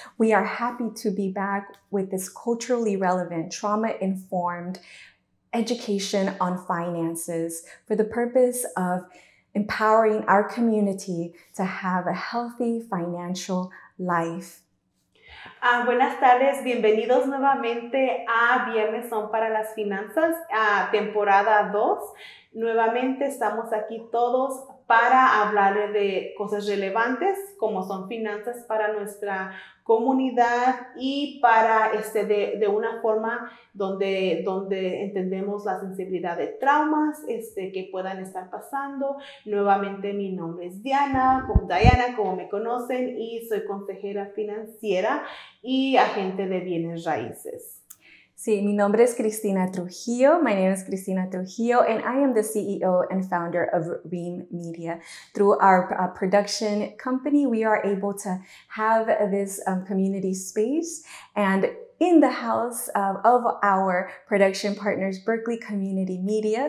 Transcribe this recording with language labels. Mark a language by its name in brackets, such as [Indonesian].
[English] We are happy to be back with this culturally relevant, trauma-informed education on finances for the purpose of empowering our community to have a healthy financial life. [Spanish] Buenas tardes, bienvenidos nuevamente a Viernes Son para las Finanzas, temporada 2. Nuevamente estamos aquí todos para hablar de cosas relevantes como son finanzas para nuestra comunidad y para de una forma donde entendemos la sensibilidad de traumas que puedan estar pasando. Nuevamente mi nombre es Diana, como me conocen, y soy consejera financiera y agente de bienes raíces. Sí, mi nombre es Cristina Trujillo. [English] My name is Cristina Trujillo, and I am the CEO and founder of Ream Media. Through our production company, we are able to have this community space, and in the house of our production partners, Berkeley Community Media.